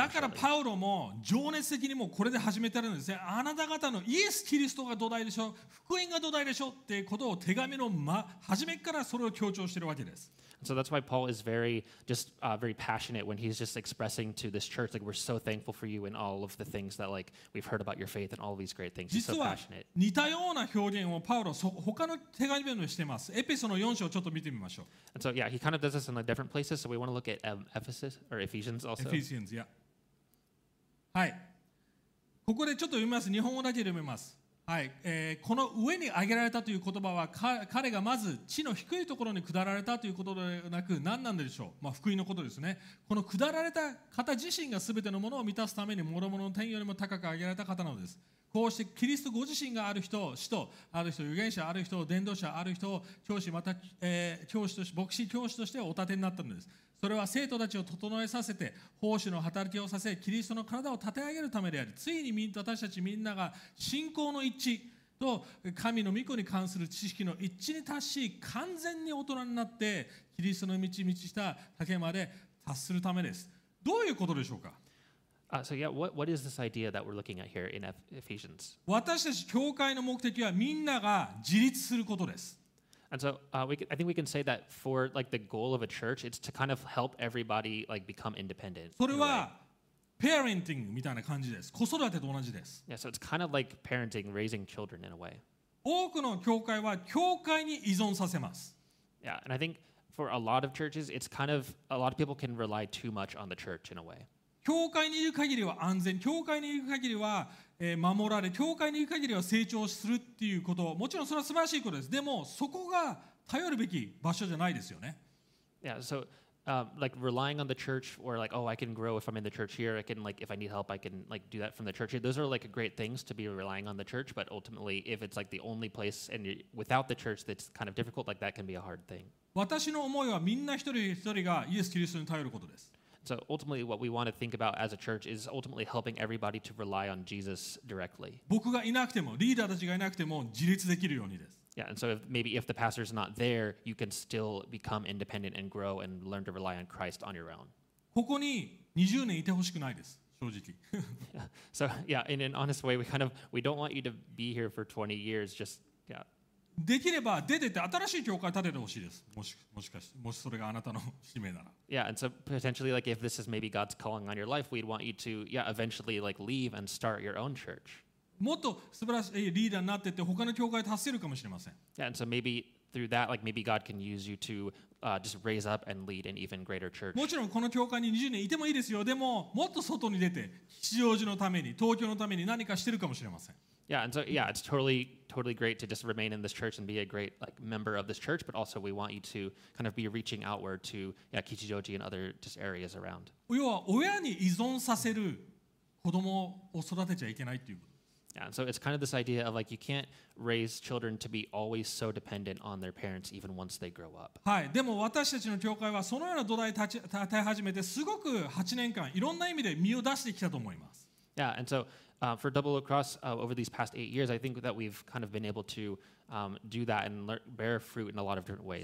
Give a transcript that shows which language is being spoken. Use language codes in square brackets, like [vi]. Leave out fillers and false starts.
[ja] だからパウロも情熱的にもこれで始めてるんですね。あなた方のイエス・キリストが土台でしょ、福音が土台でしょってことを手紙の初めからそれを強調してるわけです。 [en] So that's why Paul is very passionate when he's just expressing to this church, like, we're so thankful for you and all of the things that, like, we've heard about your faith and all of these great things. He's so passionate. [ja] 実は似たような表現をパウロ他の手紙でもしてます。エペソの4章をちょっと見てみましょう。 [en] And so, yeah, he kind of does this in like different places, so we want to look at Ephesus or Ephesians also. Ephesians, yeah. [ja] はい。ここでちょっと読みます。日本語だけで読みます。はい、この上に上げられたという言葉は彼がまず地の低いところに下られたということではなく何なんでしょう、まあ、福音のことですね。この下られた方自身が全てのものを満たすために諸々の天よりも高く上げられた方なのです。こうしてキリストご自身がある人、使徒ある人、預言者ある人、伝道者ある人、教師また、教師として牧師教師としてお立てになったのです。それは生徒たちを整えさせて奉仕の働きをさせキリストの体を立て上げるためであり、ついに私たちみんなが信仰の一致と神の御子に関する知識の一致に達し完全に大人になってキリストの道満ちた丈まで達するためです。どういうことでしょうか。 [en] So yeah, what is this idea that we're looking at here in Ephesians? [ja] 私たち教会の目的はみんなが自立することです。 [en] And so I think we can say that for like the goal of a church, it's to kind of help everybody like become independent. [ja] それはparentingみたいな感じです。子育てと同じです。 [en] Yeah, so it's kind of like parenting, raising children in a way. [ja] 多くの教会は教会に依存させます。 [en] Yeah, and I think for a lot of churches, it's kind of a lot of people can rely too much on the church in a way. [ja] 教会にいる限りは安全、教会にいる限りは守られ、教会にいる限りは成長するっていうこと、もちろんそれは素晴らしいことです。でもそこが頼るべき場所じゃないですよね。 [en] Yeah, so like relying on the church or like, oh, I can grow if I'm in the church here. I can like, if I need help, I can like do that from the church. Those are like great things to be relying on the church. But ultimately, if it's like the only place and without the church, that's kind of difficult. Like that can be a hard thing. [ja] 私の思いはみんな一人一人がイエス・キリストに頼ることです。 [en] So ultimately, what we want to think about as a church is ultimately helping everybody to rely on Jesus directly. [ja] 僕がいなくても、リーダーたちがいなくても自立できるようにです。 [en] Yeah, and so if, maybe if the pastor's not there, you can still become independent and grow and learn to rely on Christ on your own. [ja] ここに20年いてほしくないです、正直。 [en] So yeah, in an honest way, we don't want you to be here for 20 years. Just yeah. [ja] できれば出てって新しい教会建ててほしいです。もしそれがあなたの使命なら。 [en] Yeah, and so potentially, like if this is maybe God's calling on your life, we'd want you to, yeah, eventually like leave and start your own church. [ja] もっと素晴らしいリーダーになってって他の教会を助けるかもしれません。 [en] Yeah, and so maybe through that, like maybe God can use you to just raise up and lead an even greater church. [ja] もちろんこの教会に20年いてもいいですよ。でももっと外に出て吉祥寺のために、東京のために何かしてるかもしれません。 [en] Yeah, and so yeah, it's totally, totally great to just remain in this church and be a great like member of this church. But also, we want you to kind of be reaching outward to yeah, Kichijoji and other just areas around. [ja] 要は親に依存させる子供を育てちゃいけないっていう。 [en] Yeah, and so it's kind of this idea of like you can't raise children to be always so dependent on their parents even once they grow up. [ja] はい、でも私たちの教会はそのような土台立て始めてすごく8年間いろんな意味で身を出してきたと思います。 [en] Yeah, and so. For Double Across, over these past 8 years, I think that we've kind of been able to do that and bear fruit in a lot of different ways.